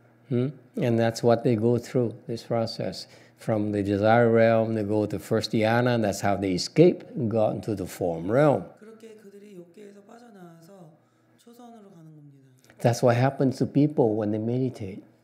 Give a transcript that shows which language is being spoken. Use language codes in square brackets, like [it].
[en] And that's what they go through this process from the desire realm. They go to first dhyana, and that's how they escape and go into the form realm. [ko] 그렇게 그들이 욕계에서 빠져나와서 초선으로 가는 겁니다. [en] That's what happens to people when they meditate.